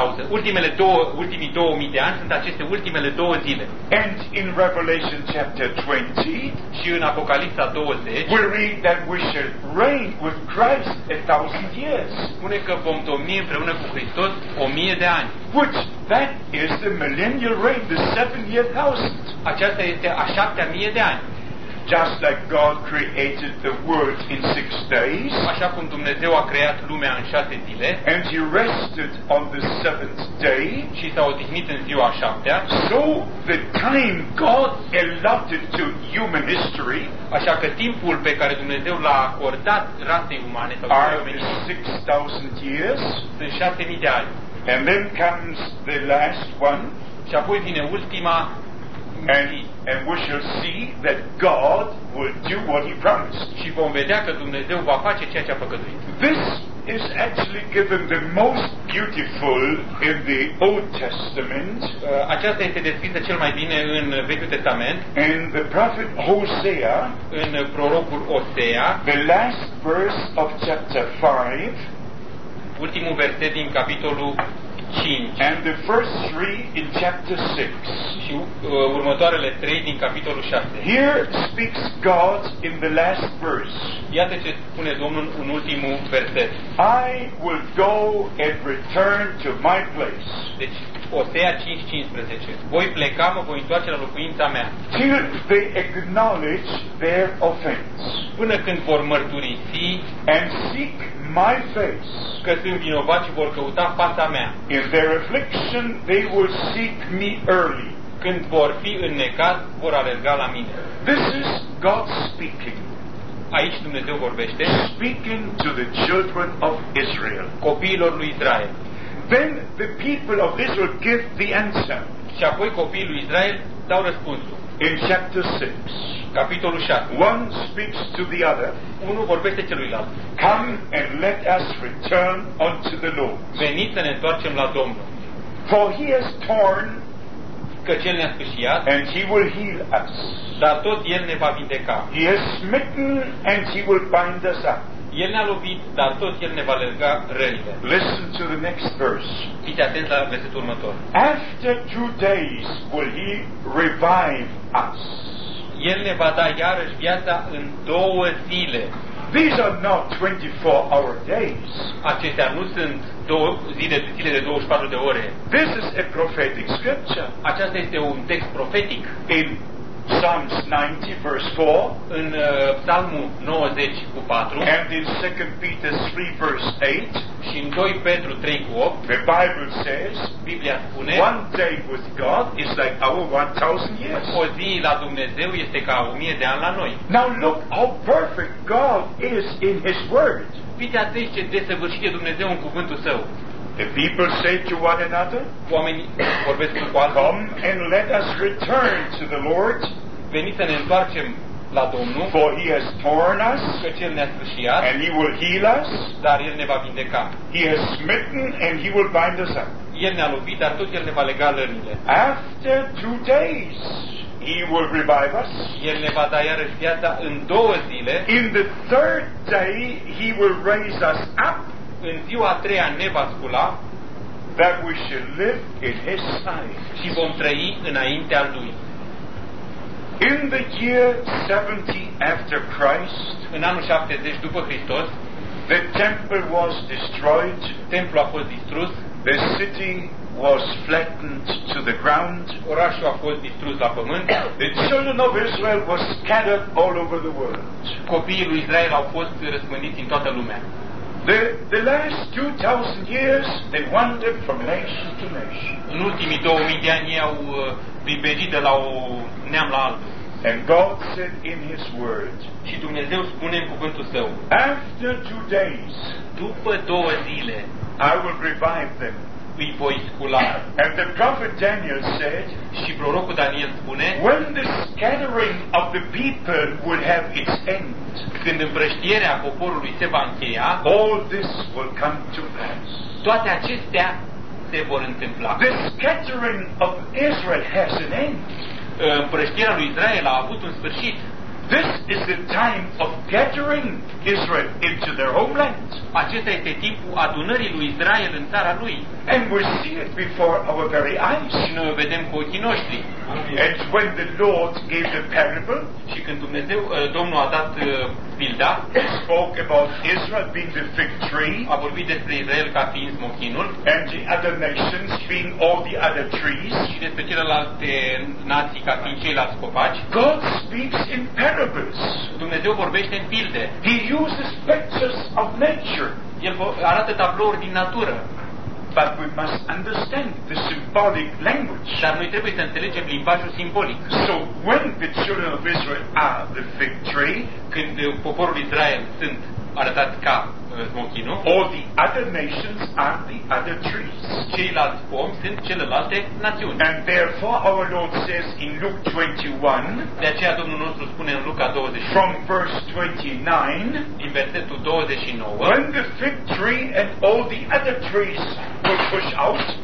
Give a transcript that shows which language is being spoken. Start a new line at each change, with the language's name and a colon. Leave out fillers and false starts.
Romanian: Ultimii 2000 de ani sunt aceste ultimele două zile.
English: And in Revelation chapter 20,
Romanian: și în Apocalipsa 20,
English: we read that we shall reign with Christ 1000 years.
Romanian: Spune că vom domni împreună cu Hristos 1000 de ani.
English: Which that is the millennial reign, the 7-year thousand.
Romanian: Aceasta este a 7000 de ani.
English: Just like God created the world in 6 days.
Romanian: Așa cum Dumnezeu a creat lumea în 6 zile.
English: And he rested on the 7th day.
Romanian: Și s-a odihnit în ziua a 7-a.
English: So the time God allotted to human history,
Romanian: așa că timpul pe care Dumnezeu l-a acordat rasei umane sau
English: omenirii, 6000 years,
Romanian: sunt 6000 de ani.
English: And then comes the last one.
Romanian: Și apoi vine ultima.
English: And we shall see that God will do what he promised.
Romanian: Și vom vedea că Dumnezeu va face ceea ce a făgăduit.
English: This is actually given the most beautiful in the Old Testament.
Romanian: Aceasta este descrisă cel mai bine în Vechiul Testament.
English: In the prophet Hosea,
Romanian: în prorocul Osea,
English: the last verse of chapter 5,
Romanian: ultimul verset din capitolul 5.
English: And the first three in chapter 6.
Romanian: Și următoarele trei din capitolul 6.
English: Here speaks God in the last verse.
Romanian: Iată ce spune Domnul în ultimul verset.
English: I will go and return to my place.
Romanian: Deci, Osea 5:15. Voi pleca, mă voi întoarce la locuința mea.
English: Till they acknowledge their offense.
Romanian: Până când vor mărturisi.
English: And seek my face.
Romanian: Că sunt vinovați, vor căuta fața mea.
English: In their affliction they will seek me early.
Romanian: Când vor fi în necaz, vor alerga la mine.
English: This is God speaking.
Romanian: Aici Dumnezeu vorbește.
English: Speaking to the children of Israel.
Romanian: Copiilor lui Israel.
English: Then the people of Israel give the answer.
Romanian: Și apoi copiii lui Israel dau răspunsul.
English: In chapter 6.
Romanian: Capitolul 6.
English: One speaks to the other.
Romanian: Unul vorbește celuilalt.
English: Come and let us return unto the Lord.
Romanian: Veniți să ne întoarcem la Domnul.
English: For he has torn,
Romanian: căci el ne-a spășiat,
English: and he will heal us.
Romanian: Dar tot el ne va vindeca.
English: He has smitten and he will bind us up.
Romanian: El ne-a lovit, dar tot el ne va lega rănile.
English: Listen to the next verse.
Romanian: Fiți atenți la versetul următor.
English: After 2 days will he revive us.
Romanian: El ne va da iarăși viața în două zile.
English: These are not 24 hour days.
Romanian: Acestea nu sunt zile de 24 de ore.
English: This is a prophetic scripture.
Romanian: Aceasta este un text profetic.
English: In Psalms 90 verse 4.
Romanian: În Psalmul 90 cu 4.
English: And in 2 Peter 3 verse 8.
Romanian: Și în 2 Petru 3 cu 8.
English: The Bible says,
Romanian: Biblia spune,
English: one day with God is like our 1000 years.
Romanian: O zi la Dumnezeu este ca 1000 de ani la noi.
English: Now look how perfect God is in his word.
Romanian: Fiți atenți ce desăvârșit e Dumnezeu în cuvântul său.
English: The people say to one another,
Romanian: oamenii vorbesc cu alții,
English: come and let us return to the Lord,
Romanian: veniți să ne întoarcem la Domnul,
English: for he has torn us,
Romanian: căci el ne-a sfârșiat,
English: and he will heal us,
Romanian: dar el ne va vindeca.
English: He has smitten and he will bind us up.
Romanian: El ne-a lovit, dar tot el ne va lega lănile.
English: After 2 days, he will revive us.
Romanian: El ne va da iarăși viața în două zile.
English: In the third day, he will raise us up.
Romanian: În ziua a treia ne va scula,
English: that we shall live in his sight.
Romanian: Și vom trăi înaintea lui.
English: In the year 70 after Christ,
Romanian: în anul 70 după Hristos,
English: the temple was destroyed,
Romanian: templul a fost distrus,
English: the city was flattened to the ground,
Romanian: orașul a fost distrus la pământ,
English: the children of Israel were scattered all over the world.
Romanian: Copiii lui Israel au fost răspândiți în toată lumea.
English: The last 2000 years they wandered from nation to nation.
Romanian: În ultimii 2000 de ani au viberit de la un neam la altul.
English: And God said in his word.
Romanian: Și Dumnezeu spune în cuvântul său.
English: After 2 days.
Romanian: După două zile.
English: I will revive them.
Romanian: Îi voi scula.
English: And the prophet Daniel said.
Romanian: Și prorocul Daniel spune.
English: When the scattering of the people will have its end.
Romanian: Când împrăștierea poporului se va încheia,
English: all this will come to pass.
Romanian: Toate acestea se vor întâmpla.
English: The scattering of Israel has an end.
Romanian: Împrăștierea lui Israel a avut un sfârșit.
English: This is the time of gathering Israel into their homeland.
Romanian: Acesta este timpul adunării lui Israel în țara lui.
English: And we see it before our very eyes.
Romanian: Și noi o vedem cu ochii noștri.
English: And when the Lord gave the parable,
Romanian: și când Dumnezeu, Domnul a dat pilda,
English: spoke about Israel being the fig tree,
Romanian: a vorbit despre Israel ca fiind smochinul,
English: and the other nations being all the other trees,
Romanian: și despre celelalte nații ca fiind ceilalți copaci,
English: God speaks in parables.
Romanian: Dumnezeu vorbește în pilde.
English: He uses pictures of nature.
Romanian: El arată tablouri din natură.
English: But we must understand the symbolic language.
Romanian: Dar noi trebuie să înțelegem limbajul simbolic.
English: So when the children of Israel are the fig tree,
Romanian: când poporul Israel sunt arătat ca smochinul,
English: all the other nations are the other trees.
Romanian: Ceilalți pomi sunt celelalte națiuni.
English: And therefore our Lord says in Luke 21,
Romanian: de aceea Domnul nostru spune în Luca 21,
English: from verse 29,
Romanian: din versetul 29,
English: when the fig tree and all the other trees will push out,